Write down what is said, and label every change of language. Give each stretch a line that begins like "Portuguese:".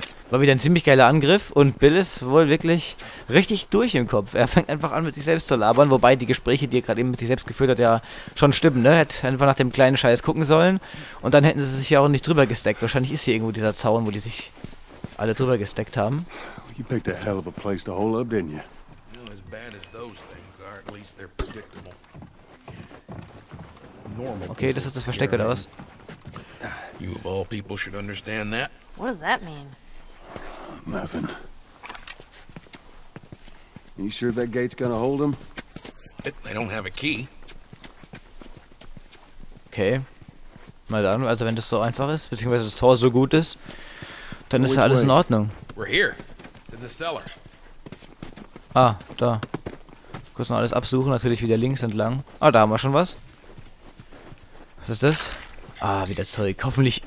German: War wieder ein ziemlich geiler Angriff und Bill ist wohl wirklich richtig durch im Kopf. Er fängt einfach an, mit sich selbst zu labern, wobei die Gespräche, die er gerade eben mit sich selbst geführt hat, ja schon stimmen, ne? Hätte einfach nach dem kleinen Scheiß gucken sollen und dann hätten sie sich ja auch nicht drüber gesteckt. Wahrscheinlich ist hier irgendwo dieser Zaun, wo die sich alle drüber gesteckt haben.
English: You picked a hell of a place to hold up, didn't you? Well, as bad as those things are, at least they're predictable.
German: Okay, das ist das Versteck, oder was?
English: You of all people should understand that. What does that mean? Nothing. You sure that gate's gonna hold them? They don't have a key. Okay.
German: Mal dann, also wenn das so einfach ist, beziehungsweise das Tor so gut ist, dann ist ja alles in Ordnung.
English: We're here. It's in the cellar.
German: Ah, da. Kurz noch alles absuchen, natürlich wieder links entlang. Ah, da haben wir schon was. Was ist das? Ah, wieder Zeug. Hoffentlich.